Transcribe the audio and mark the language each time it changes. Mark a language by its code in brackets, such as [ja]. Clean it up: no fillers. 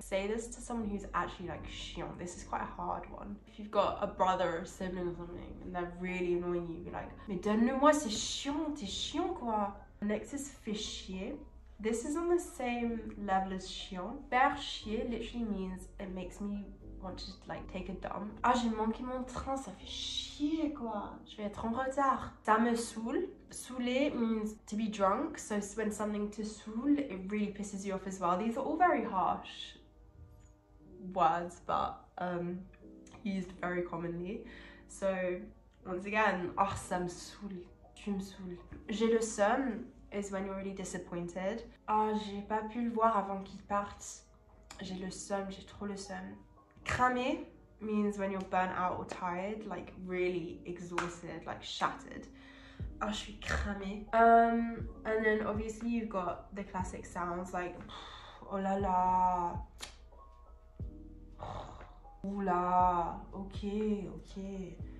[en] Say this to someone who's actually like chiant. This is quite a hard one. If you've got a brother or a sibling or something and they're really annoying you, be like, [fr] mais donne-le-moi, c'est chiant quoi. [en] Next is fait chier. This is on the same level as chiant. Faire chier literally means it makes me want to like take a dump. [fr] Ah, j'ai manqué mon train, ça fait chier quoi. Je vais être en retard. Ça me saoule. [en] Saouler means to be drunk, so when something te saoule, it really pisses you off as well. These are all very harsh words, but used very commonly. So once again, [fr] ah, ça me saoule. Tu me saoules. J'ai le seum [en] is when you're really disappointed. [fr] Ah, j'ai pas pu le voir avant qu'il parte. J'ai le seum, j'ai trop le seum. [en] Cramé means when you're burnt out or tired, like really exhausted, like shattered. [fr] Ah, je suis cramé. [en] And then obviously you've got the classic sounds like oh la la, oula, ok.